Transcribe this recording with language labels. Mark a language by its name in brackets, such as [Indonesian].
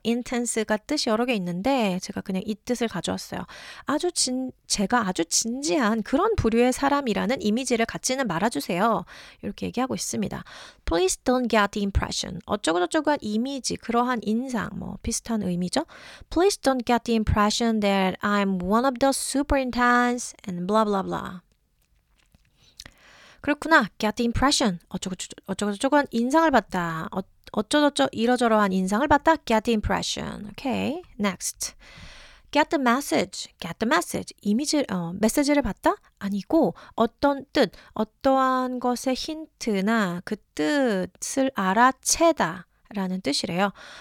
[Korean] Intense가 뜻이 여러 개 있는데 제가 그냥 이 뜻을 가져왔어요. 제가 아주 진지한 그런 부류의 사람이라는 이미지를 갖지는 말아주세요. 이렇게 얘기하고 있습니다. [English] Please don't get the impression. [Korean] 어쩌고저쩌고한 이미지, 그러한 인상, 뭐 비슷한 의미죠. [English] Please don't get the impression that I'm one of the super intense and blah blah blah. [Korean] 그렇구나. [English] Get the impression. [Korean] 어쩌고저쩌고한 인상을 받다. 어쩌고저쩌고 이러저러한 인상을 받다. [English] Get the impression. Okay. Next. Get the message. [Korean] 메시지를 받다? 아니고 어떤 뜻, 어떠한 것의 힌트나 그 뜻을 알아채다 라는 뜻이래요.